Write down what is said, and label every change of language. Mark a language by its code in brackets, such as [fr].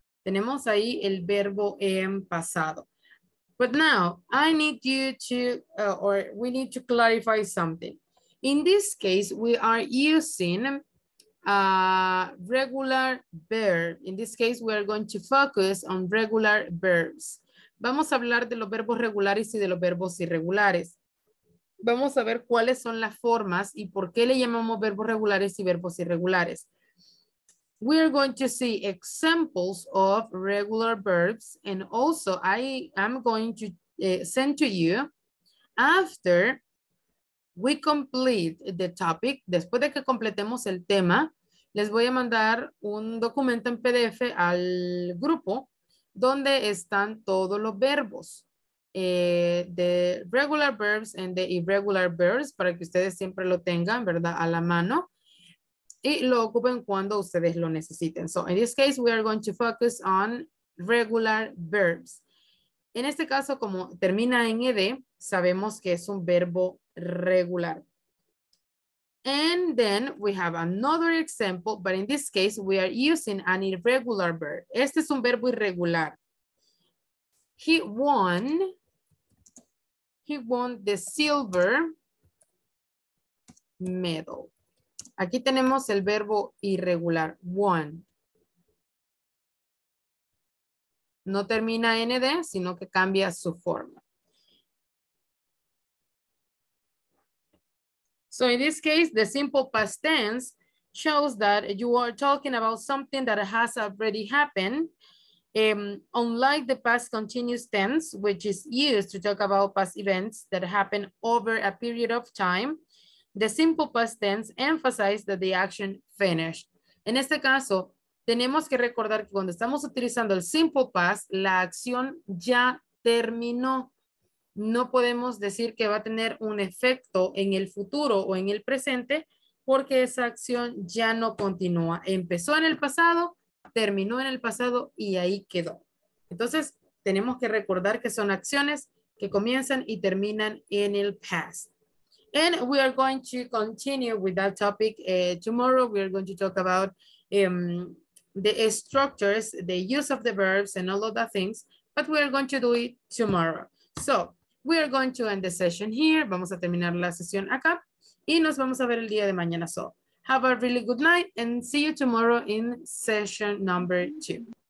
[es] Tenemos ahí el verbo en pasado. [en] But now, I need you to, or we need to clarify something. In this case, we are using a regular verb. In this case, we are going to focus on regular verbs. [es] Vamos a hablar de los verbos regulares y de los verbos irregulares. Vamos a ver cuáles son las formas y por qué le llamamos verbos regulares y verbos irregulares. [en] We are going to see examples of regular verbs, and also I am going to send to you after we complete the topic. [es] Después de que completemos el tema, les voy a mandar un documento en PDF al grupo donde están todos los verbos, [en] the regular verbs and the irregular verbs, [es] para que ustedes siempre lo tengan, ¿verdad?, a la mano. Y lo ocupen cuando ustedes lo necesiten. [en] So, in this case, we are going to focus on regular verbs. [es] En este caso, como termina en ed, sabemos que es un verbo regular. [en] And then we have another example, but in this case, we are using an irregular verb. [es] Este es un verbo irregular. [en] He won the silver medal. [es] Aquí tenemos el verbo irregular, won. No termina ND, sino que cambia su forma. [en] So in this case, the simple past tense shows that you are talking about something that has already happened. Unlike the past continuous tense, which is used to talk about past events that happen over a period of time, the simple past tense emphasizes that the action finished. [es] En este caso, tenemos que recordar que cuando estamos utilizando el simple past, la acción ya terminó. No podemos decir que va a tener un efecto en el futuro o en el presente, porque esa acción ya no continúa. Empezó en el pasado, terminó en el pasado y ahí quedó. Entonces, tenemos que recordar que son acciones que comienzan y terminan en el past. [en] And we are going to continue with that topic tomorrow. We are going to talk about the structures, the use of the verbs and all of the things, but we are going to do it tomorrow. So we are going to end the session here. [es] Vamos a terminar la sesión acá y nos vamos a ver el día de mañana. [en] So have a really good night and see you tomorrow in session number 2.